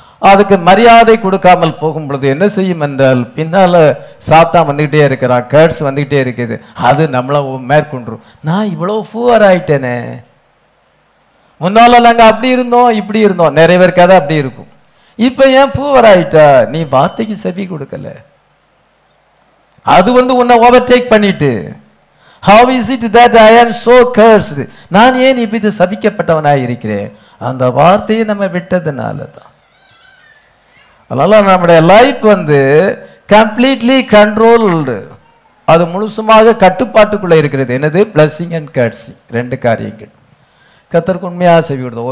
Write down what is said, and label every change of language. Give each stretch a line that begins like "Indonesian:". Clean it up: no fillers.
Tamil: அதுக்கு மரியாதை கொடுக்காமல் போகும் பொழுது என்ன செய்யும் என்றால் பின்னால் சாத்தான் வந்துக்கிட்டே இருக்கிறான், கேட்ஸ் வந்துக்கிட்டே இருக்குது, அது நம்மளை மேற்கொண்டுரும். நான் இவ்வளோ ஃபூவர் ஆகிட்டேனே, முன்னால் நாங்கள் அப்படி இருந்தோம் இப்படி இருந்தோம், நிறைய பேர் கதை அப்படி இருக்கும், இப்போ ஏன் ஃபூவர் ஆகிட்டா? நீ வார்த்தைக்கு செவி கொடுக்கல, அது வந்து உன்னை ஓவர்டேக் பண்ணிட்டு.
English: How is it that I am so cursed?
Tamil: நான் ஏன் இப்படி சபிக்கப்பட்டவனாக இருக்கிறேன்? அந்த வார்த்தையை நம்ம விட்டதுனால தான். அதனால் நம்முடைய லைஃப் வந்து
English: completely controlled,
Tamil: அது முழுசுமாக கட்டுப்பாட்டுக்குள்ளே இருக்கிறது. என்னது?
English: blessing and cursing,
Tamil: ரெண்டு காரியங்கள். கத்தருக்கு உண்மையாக செவி கொடுத்தோம்.